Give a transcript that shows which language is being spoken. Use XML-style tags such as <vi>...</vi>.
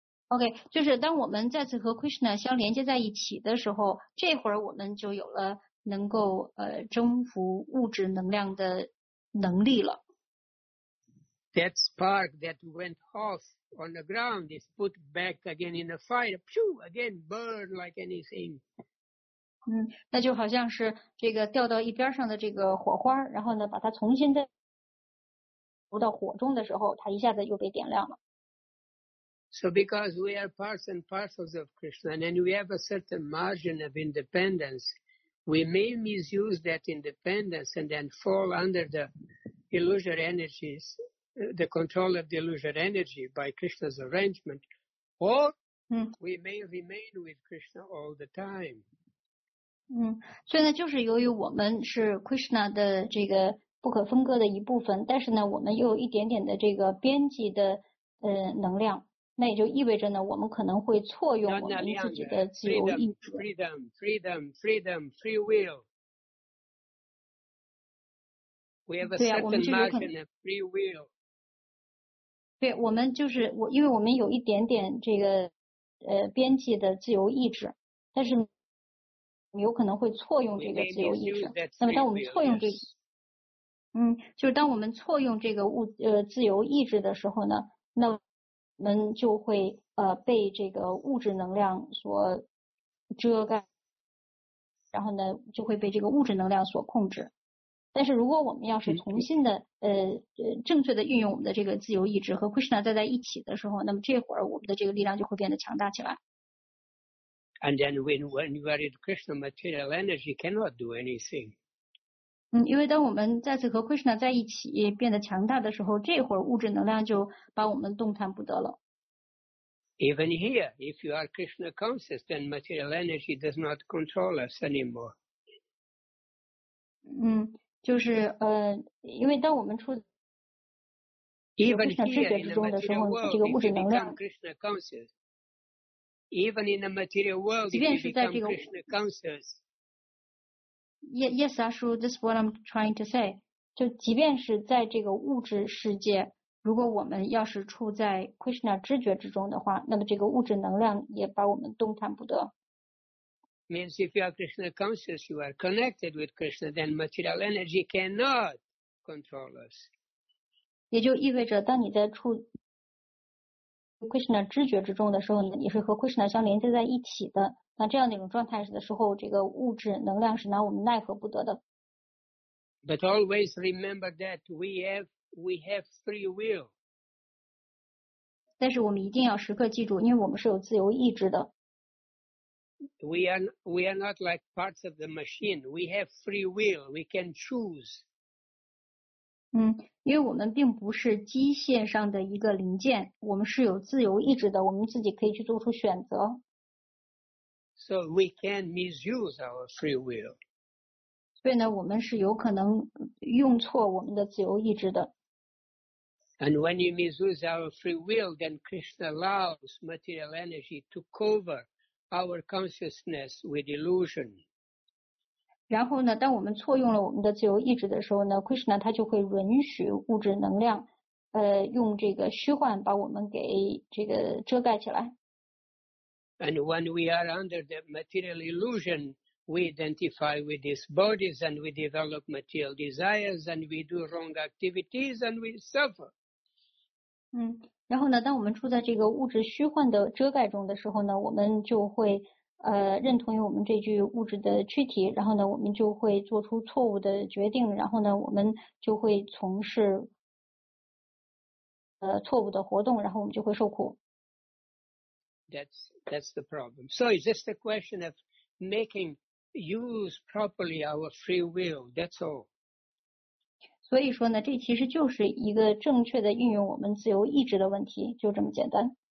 <zh>Okay, 就是当我们再次和 Krishna 相连接在一起的时候，这会儿我们就有了能够征服物质能量的能力了。</zh> <en>That spark that went off on the ground is put back again in the fire. Pew, again burn like anything.</en> <zh>那就好像是这个掉到一边上的这个火花，然后呢把它重新再投到火中的时候，它一下子又被点亮了。</zh> <en>So because we are parts and parcels of Krishna and we have a certain margin of independence,we may misuse that independence and then fall under the illusory energies, the control of the illusory energy by Krishna's arrangement, or we may remain with Krishna all the time.</en> <zh>所以呢，就是由于我们是 Krishna 的这个不可分割的一部分，但是呢，我们又有一点点的这个边际的能量，那也就意味着呢，我们可能会错用我们自己的自由意志。</zh> <en>Freedom, free will. We have a certain margin of free will.</en> <zh>对，我们就是我，因为我们有一点点这个边际的自由意志，但是有可能会错用这个自由意志。那么当我们错用这个，就是当我们错用这个自由意志的时候呢，那我们就会被这个物质能量所遮盖，然后呢就会被这个物质能量所控制。但是如果我们要是重新的正确的运用我们的这个自由意志和 Krishna 在一起的时候，那么这会儿我们的这个力量就会变得强大起来。</zh> <en>And then when you are in Krishna, material energy cannot do anything.</en> <zh>因为当我们再次和 Krishna 在一起变得强大的时候，这会儿物质能量就把我们动弹不得了。</zh> <en>Even here, if you are Krishna conscious, then material energy does not control us anymore.</en> <zh>就是因为当我们出</zh> <en>Even here in the material world, if you become Krishna conscious, even in the material world, if you become Krishna conscious, Yes, Ashu, this is what I'm trying to say.</en> <zh>就即便是在这个物质世界，如果我们要是处在 Krishna 知觉之中的话，那么这个物质能量也把我们动弹不得。</zh> <en>Means if you are Krishna conscious, you are connected with Krishna, then material energy cannot control us.</en> <zh>也就意味着当你在处 Krishna 知觉之中的时候呢，你是和 Krishna 相连接在一起的。那这样的一种状态的时候，这个物质能量是拿我们奈何不得的。</zh> <en>But always remember that we have free will.</en> <zh>但是我们一定要时刻记住，因为我们是有自由意志的。</zh> <en>We are not like parts of the machine. We have free will. We can choose.</en> <zh>因为我们并不是机械上的一个零件，我们是有自由意志的，我们自己可以去做出选择。</zh> <en>So we can misuse our free will.</en> <zh>所以呢，我们是有可能用错我们的自由意志的。</zh> <en>And when you misuse our free will, then Krishna allows material energy to cover our consciousness with illusion.</en> <zh>然后呢，当我们错用了我们的自由意志的时候呢 ，Krishna 他就会允许物质能量，用这个虚幻把我们给这个遮盖起来。</zh> <en>And when we are under the material illusion, we identify with these bodies and we develop material desires and we do wrong activities and we suffer.</en> <zh>然后呢，当我们处在这个物质虚幻的遮盖中的时候呢，我们就会认同于我们这具物质的躯体，然后呢，我们就会做出错误的决定，然后呢，我们就会从事错误的活动，然后我们就会受苦。</zh> <en>That's the problem. So it's just a question of making use properly our free will. That's all.</en> <zh>所以说呢，这其实就是一个正确的运用我们自由意志的问题，就这么简单。</zh>